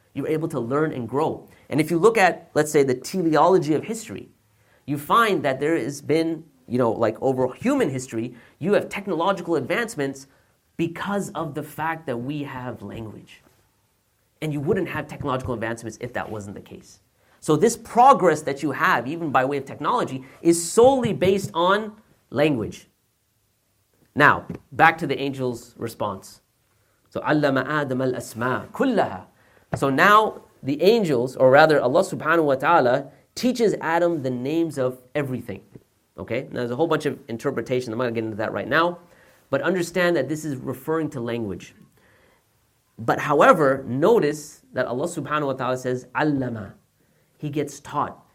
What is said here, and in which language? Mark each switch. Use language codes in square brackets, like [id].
[en] You're able to learn and grow. And if you look at, let's say, the teleology of history, you find that there has been, over human history, you have technological advancements because of the fact that we have language. And you wouldn't have technological advancements if that wasn't the case. So this progress that you have, even by way of technology, is solely based on language. Now, back to the angel's response. So, [ar] عَلَّمَ آدَمَ الْأَسْمَاءَ كُلَّهَا. [en] So now, the angels, or rather Allah subhanahu wa ta'ala, teaches Adam the names of everything. Okay? Now, there's a whole bunch of interpretation. I'm not going to get into that right now. But understand that this is referring to language. But however, notice that Allah subhanahu wa ta'ala says, عَلَّمَ. He gets taught.